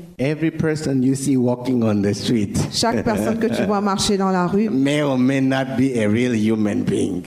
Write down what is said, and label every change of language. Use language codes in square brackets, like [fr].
[en] Every person you see walking on the street. [fr] Chaque personne que tu vois marcher dans la rue. [en] May or may not be a real human being.